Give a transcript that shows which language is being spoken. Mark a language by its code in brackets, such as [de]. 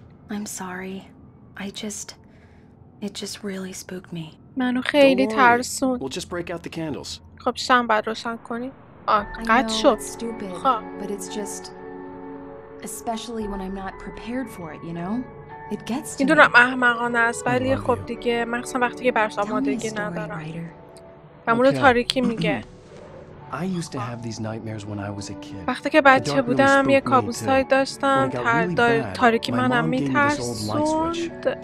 [en] I'm sorry. It just really spooked me. [fa] منو خیلی ترسون. [en] We'll just break out the candles. [fa] خب شمع باید روشن کنی. قد شد. خب. [en] But it's just especially when I'm not prepared for it, you know? It gets to [fa] میدونم احمقانه است، ولی خب دیگه مخصوصا وقتی که برش آمادگی ندارم. همونو تاریکی میگه. [en] I used to have these nightmares when I was a kid. [fa] وقتی که بچه بودم یه کابوسایی داشتم، تاریکی منم میترسوند.